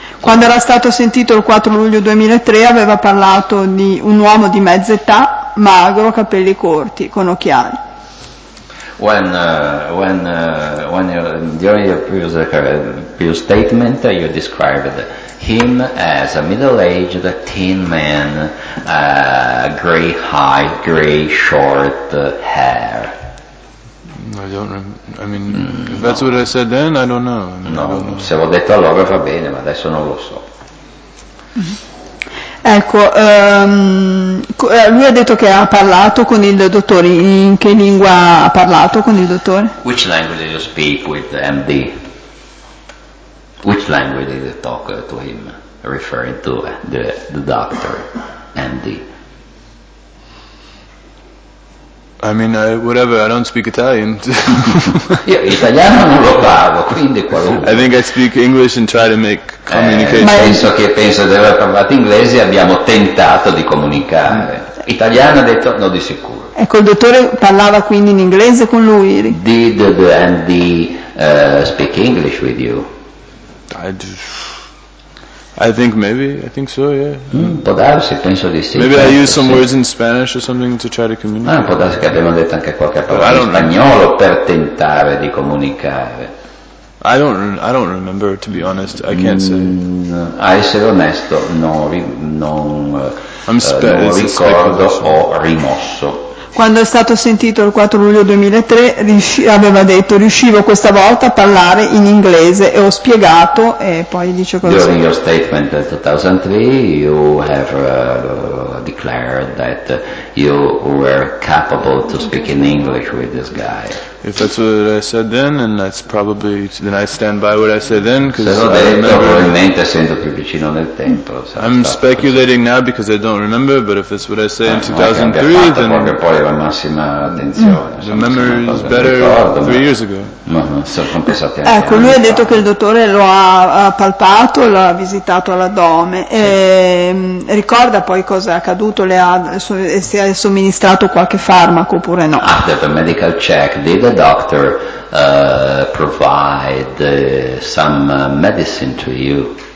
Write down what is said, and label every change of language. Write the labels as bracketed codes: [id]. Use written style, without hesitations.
[it] Quando era stato sentito il 4 luglio 2003, aveva parlato di un uomo di mezza età, magro, capelli corti, con occhiali. [en] When you, during your previous statement, you described him as a middle-aged teen man, gray, high, gray, short hair. If that's what I said then, I don't know. [it] No, se l'ho detto allora va bene, ma adesso non lo so. Ecco, lui ha detto che ha parlato con il dottore. In che lingua ha parlato con il dottore? [en] Which language did you speak with the MD? Which language did you talk to him, referring to the doctor, MD? I mean, whatever, I don't speak Italian. [it] Io italiano non lo parlo, quindi qualunque. [en] I think I speak English and try to make communication. [it] Penso di aver parlato inglese e abbiamo tentato di comunicare. Italiano ha detto no di sicuro. Ecco, il dottore parlava quindi in inglese con lui. [en] Did the MD speak English with you? I think maybe, I think so, yeah. [it] Può darsi, penso di sì. [en] Maybe I use some words in Spanish or something to try to communicate. [it] Può darsi che abbiamo detto anche qualche parola in spagnolo per tentare di comunicare. [en] I don't remember, to be honest, I can't say. [it] A essere onesto, non ricordo o rimosso. Quando è stato sentito il 4 luglio 2003, riuscivo questa volta a parlare in inglese e ho spiegato e poi dice così. [en] During your statement in 2003, you have declared that you were capable to speak in English with this guy. If that's what I said then, and that's probably, then I stand by what I said then, because I'm speculating now because I don't remember, but if it's what I say in 2003, then the memory is better 3 years ago. [it] Ecco, lui ha detto che il dottore lo ha palpato, l'ha visitato all'addome, e ricorda poi cosa è accaduto, si è somministrato qualche farmaco oppure no? [en] After the medical check, did doctor provide some medicine to you?